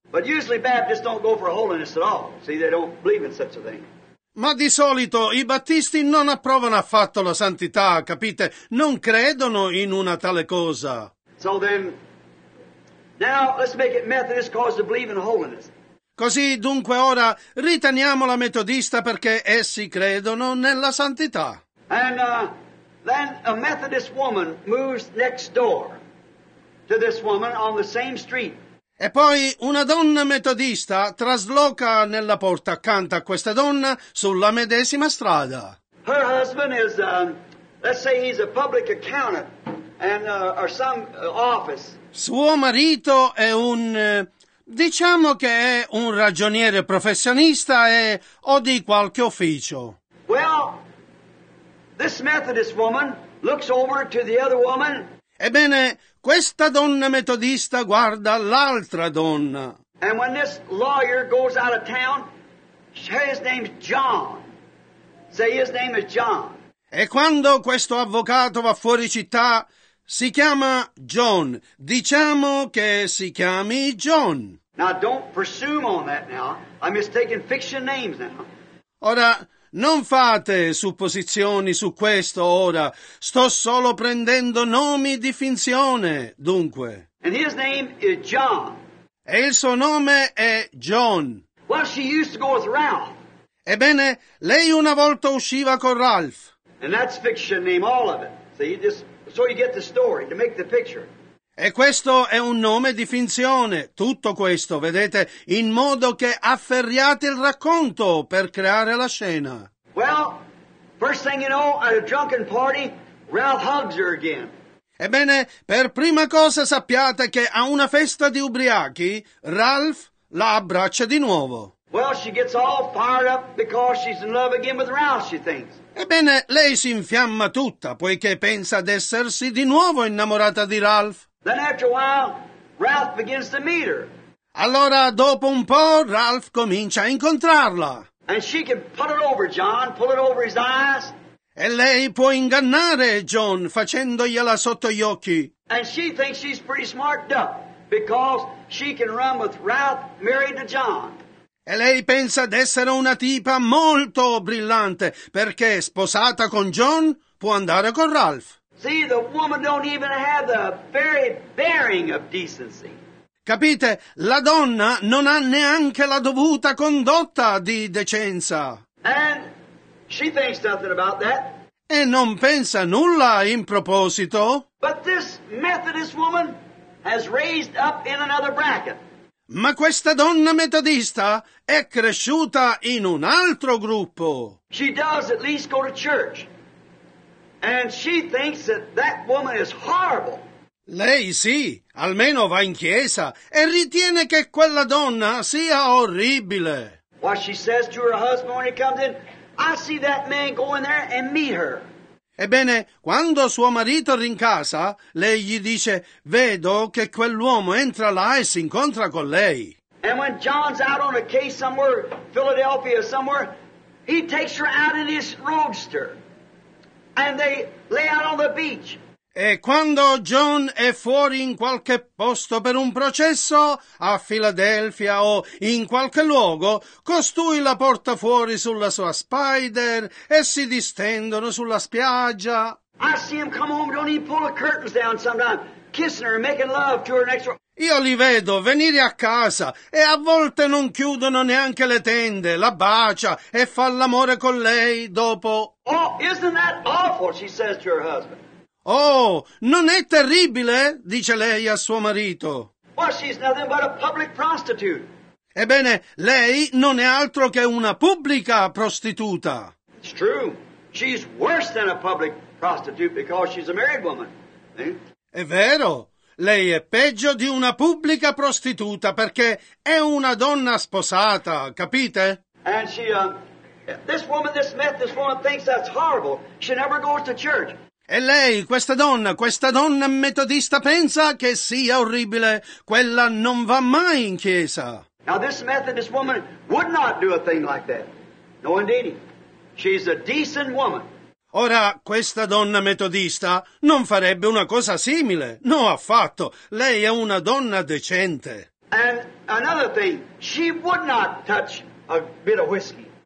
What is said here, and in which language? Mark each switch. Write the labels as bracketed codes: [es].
[en] But usually Baptists don't go for holiness at all. See, they don't believe in such a thing. [it] Ma di solito i battisti non approvano affatto la santità, capite? Non credono in una tale cosa. [en] So then, now let's make it Methodist cause to believe in holiness. [it] Così dunque ora riteniamola metodista perché essi credono nella santità. [en] And then a Methodist woman moves next door to this woman on the same street. [it] E poi una donna metodista trasloca nella porta accanto a questa donna sulla medesima strada. [en] Her husband is let's say he's a public accountant and or some office. [it] Suo marito è un diciamo che è un ragioniere professionista e o di qualche ufficio. [en] Well, this Methodist woman looks over to the other woman. [it] Ebbene, questa donna metodista guarda l'altra donna. [en] And when this lawyer goes out of town, his name's John. Say his name is John. [it] E quando questo avvocato va fuori città, si chiama John. Diciamo che si chiami John. [en] Now don't presume on that now. I'm just taking fiction names now. [it] Ora non fate supposizioni su questo ora. Sto solo prendendo nomi di finzione, dunque. [en] And his name is John. [it] E il suo nome è John. [en] Well, she used to go with Ralph. [it] Ebbene, lei una volta usciva con Ralph. [en] And that's fiction name, all of it. So you just so you get the story to make the picture. [it] E questo è un nome di finzione, tutto questo, vedete, in modo che afferriate il racconto per creare la scena. [en] Well, first thing you know, at a drunken party, Ralph hugs her again. [it] Ebbene, per prima cosa sappiate che a una festa di ubriachi, Ralph la abbraccia di nuovo. [en] Well, she gets all fired up because she's in love again with Ralph, she thinks. [it] Ebbene, lei si infiamma tutta, poiché pensa ad essersi di nuovo innamorata di Ralph. [en] Then after a while, Ralph begins to meet her. [it] Allora, dopo un po', Ralph comincia a incontrarla. [en] And she can put it over John, pull it over his eyes. [it] E lei può ingannare John, facendogliela sotto gli occhi. [en] And she thinks she's pretty smart duck, because she can run with Ralph married to John. [it] E lei pensa d'essere una tipa molto brillante, perché sposata con John può andare con Ralph. [en] See, the woman don't even have the very bearing of decency. [it] Capite? La donna non ha neanche la dovuta condotta di decenza. [en] And she thinks nothing about that. [it] E non pensa nulla in proposito. [en] But this Methodist woman has raised up in another bracket. [it] Ma questa donna metodista è cresciuta in un altro gruppo. [en] She does at least go to church. And she thinks that that woman is horrible. [it] Lei sì, almeno va in chiesa e ritiene che quella donna sia orribile. [en] What she says to her husband when he comes in, I see that man go in there and meet her. [it] Ebbene, quando suo marito rincasa, lei gli dice, vedo che quell'uomo entra là e si incontra con lei. [en] And when John's out on a case somewhere, Philadelphia somewhere, he takes her out in his roadster. And they lay out on the beach. [it] E quando John è fuori in qualche posto per un processo, a Filadelfia o in qualche luogo, costui la porta fuori sulla sua spider e si distendono sulla spiaggia. [en] I see him come home, don't even pull the curtains down sometime, kissing her, making love to her next room. [it] Io li vedo venire a casa e a volte non chiudono neanche le tende, la bacia e fa l'amore con lei dopo. [en] Oh, isn't that awful, she says to her husband. [it] Oh, non è terribile? Dice lei a suo marito. [en] Well, she's nothing but a public prostitute. [it] Ebbene, lei non è altro che una pubblica prostituta. [en] It's true. She's worse than a public prostitute because she's a married woman. [it] È vero. Lei è peggio di una pubblica prostituta perché è una donna sposata, capite? [en] And she, this woman, this Methodist woman thinks that's horrible. She never goes to church. [it] E lei, questa donna metodista pensa che sia orribile. Quella non va mai in chiesa. [en] Now this Methodist woman would not do a thing like that. No, indeed. She's a decent woman. [it] Ora, questa donna metodista non farebbe una cosa simile. No, affatto. Lei è una donna decente. [en] And another thing, she would not touch a bit of whiskey.